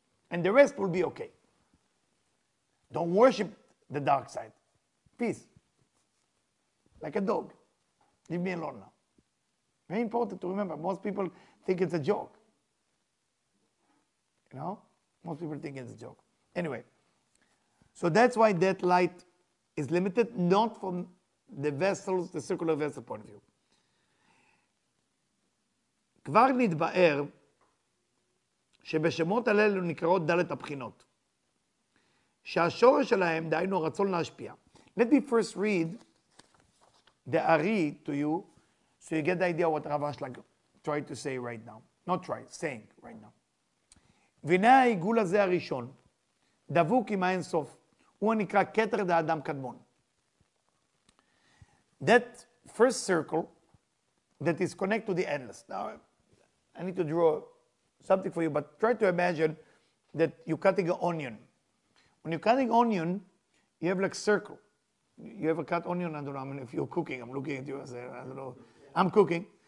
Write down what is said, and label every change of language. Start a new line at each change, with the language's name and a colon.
English: And the rest will be okay. Don't worship the dark side. Peace. Like a dog. Leave me alone now. Very important to remember. Most people think it's a joke. You know? Most people think it's a joke. Anyway. So that's why that light is limited, not from the vessels, the circular vessel point of view.
Hebrew: כבר נתבאר שבשמות הללו נקראות דלת הבחינות. שהשורש שלהם, דהיינו, רצון להשפיע.
English: Let me first read the Ari to you, so you get the idea what Rav Ashlag tried to say right now. Not try, saying right now.
Hebrew: והנה העיגול הזה הראשון, דבוק עם האינסוף, הוא הנקרא כתר דאדם קדמון.
English: That first circle that is connected to the endless. Now, I need to draw something for you, but try to imagine that you're cutting an onion. When you're cutting onion, you have like a circle. You ever cut onion? I don't know. I mean, if you're cooking, I'm looking at you. I say, I don't know. I'm cooking.